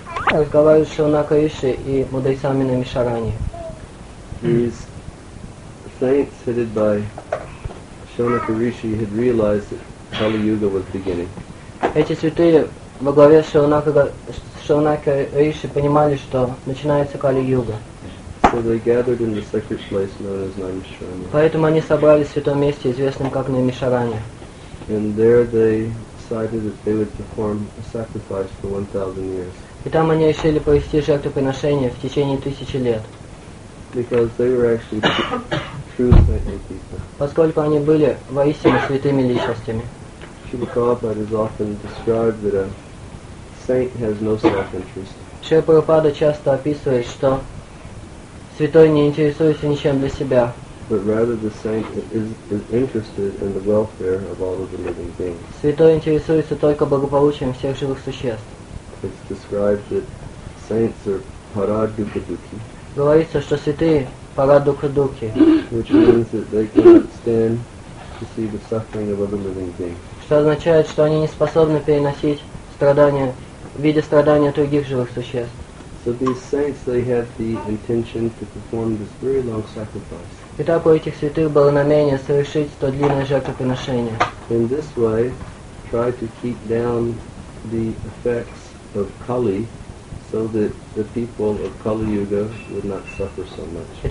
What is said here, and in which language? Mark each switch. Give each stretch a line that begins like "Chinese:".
Russian: Разговаривает Шивана Кариши и мудрецами на Мишарани.
English: Saints headed by Shivana Kariши had realized that Kali Yuga was beginning.
Russian: Эти святые во главе Шивана Кариши понимали, что начинается Кали Юга.
English: So they gathered in the sacred place known as Namisharani.
Russian: Поэтому они собрались в святом месте, известном как Намишарани.
English: And there they decided that they would perform a sacrifice for 1,000 years.
Russian: И там они решили провести жертвоприношение в течение тысячи лет.
English: Because they were actually true saintly people.
Russian: Поскольку они были воистину святыми личностями.
English: Шрила Прабхупада is often described that a saint has no self-interest.
Russian: Шрила Прабхупада часто описывает, что святой не интересуется ничем для себя.
English: But rather the saint is interested in the welfare of all of the living beings.
Russian: Святой интересуется только благополучием всех живых существ.
English: It's described that saints are paradukaduki.
Russian: Говорится, что святые парадукадуки.
English: Which means that they cannot stand to see the suffering of other living beings.
Russian: Что означает, что они не способны переносить страдания, видя страдания других живых существ.
English: So these saints, they have the intention to perform this very long sacrifice.
Russian: Итак, у этих святых было намерение совершить то длинное жертвоприношение.
English: In this way, try to keep down the effects of Kali, so that the people of Kali Yuga would not suffer so much.